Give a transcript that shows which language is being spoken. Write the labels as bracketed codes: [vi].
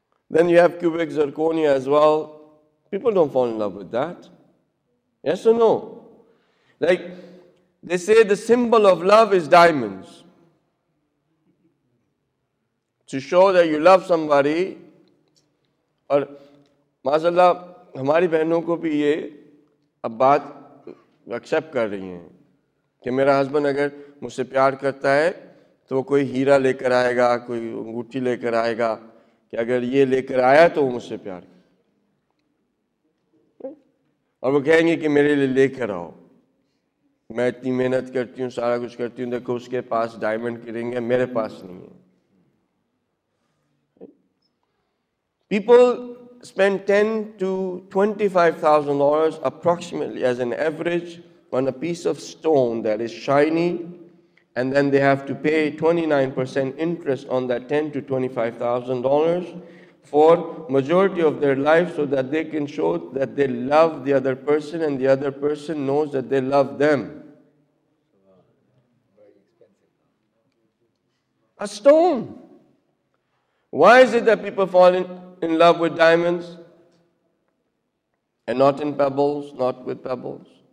[en] Then you have cubic zirconia as well. People don't fall in love with that. Yes or no? Like, they say the symbol of love is diamonds. To show that you love somebody. [ur] اور ماشاء اللہ ہماری بہنوں کو بھی یہ اب بات accept کر رہی ہیں کہ میرا ہسبینڈ اگر مجھ سے پیار کرتا ہے تو وہ کوئی ہیرا لے کر آئے گا کوئی انگوٹھی لے کر آئے گا کہ اگر یہ لے کر آیا تو وہ مجھ سے پیار کرے اور وہ کہیں گے کہ میرے لیے لے کر آؤ میں اتنی محنت کرتی ہوں سارا کچھ کرتی ہوں دیکھو اس کے پاس ڈائمنڈ کی رنگ ہے میرے پاس نہیں ہے [en] People spend $10,000 to $25,000 approximately as an average on a piece of stone that is shiny, and then they have to pay 29% interest on that $10,000 to $25,000 for majority of their life so that they can show that they love the other person and the other person knows that they love them. A stone. Why is it that people fall in love with diamonds and not in pebbles, not with pebbles?